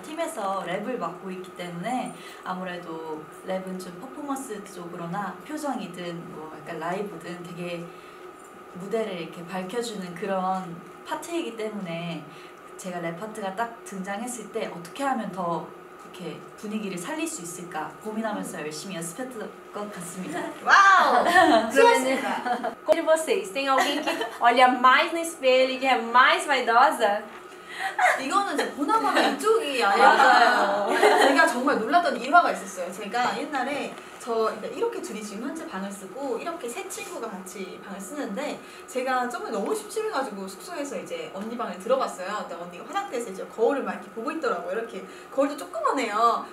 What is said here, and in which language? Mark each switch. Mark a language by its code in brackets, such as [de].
[ko] 팀에서 랩을 맡고 있기 때문에 아무래도 랩은 좀 퍼포먼스 쪽으로나 표정이든 뭐 약간 라이브든 되게 무대를 이렇게 밝혀주는 그런 파트이기 때문에 제가 랩 파트가 딱 등장했을 때 어떻게 하면 더 어떻게 분위기를 살릴 수 있을까 고민하면서 열심히 연습했던 것 같습니다. 와우! 수고하셨습니다. [pt] E vocês? Tem alguém que olha mais no espelho e que é mais vaidosa? [ko] 이거는 보나마나 이쪽이 아니었어요. 제가 정말 놀랐던 일화가 있었어요. 제가 옛날에 저 이렇게 둘이 지금 현재 방을 쓰고 이렇게 세 친구가 같이 방을 쓰는데 제가 조금 너무 심심해가지고 숙소에서 이제 언니 방에 들어갔어요. 근데 언니가 화장대에서 이제 거울을 막 이렇게 보고 있더라고요. 이렇게 거울도 조그마해요.